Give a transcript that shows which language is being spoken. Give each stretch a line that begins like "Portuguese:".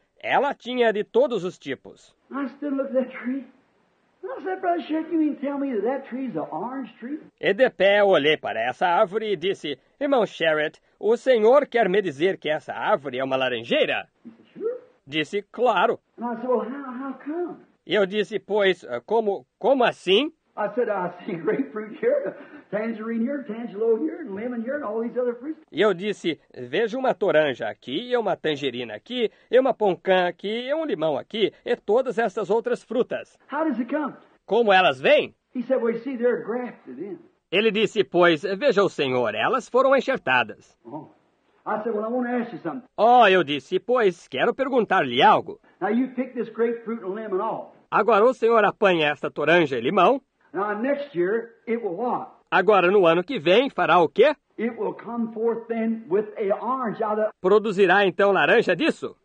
Portuguese: Ela tinha de todos os tipos.
English: I still look at that tree. I said, Brother Sherritt, you mean tell me that tree's an orange tree?
Portuguese: E de pé eu olhei para essa árvore e disse, irmão Sherritt, o senhor quer me dizer que essa árvore é uma laranjeira?
English: Sure.
Portuguese: Disse, claro.
English: And I said, well, how come?
Portuguese: E eu disse, pois, como assim?
English: I said, I see grapefruit here, tangerine here, tangelo here, and lemon here, and all these other fruits.
Portuguese: E eu disse, vejo uma toranja aqui, e uma tangerina aqui, e uma poncã aqui, e um limão aqui, e todas essas outras frutas.
English: How does it come?
Portuguese: Como elas vêm?
English: He said, well, you see, they're grafted in.
Portuguese: Ele disse, pois, veja o senhor, elas foram enxertadas.
English: Oh. I said, well, I want to ask you something.
Portuguese: Oh, eu disse, pois, quero perguntar-lhe algo.
English: Now you pick this grapefruit and lemon off.
Portuguese: Agora o senhor apanha esta toranja e limão.
English: Now, next year, it will what?
Portuguese: Agora, no ano que vem, fará o quê?
English: It will come forth then with a orange out of...
Portuguese: Produzirá, então, laranja disso?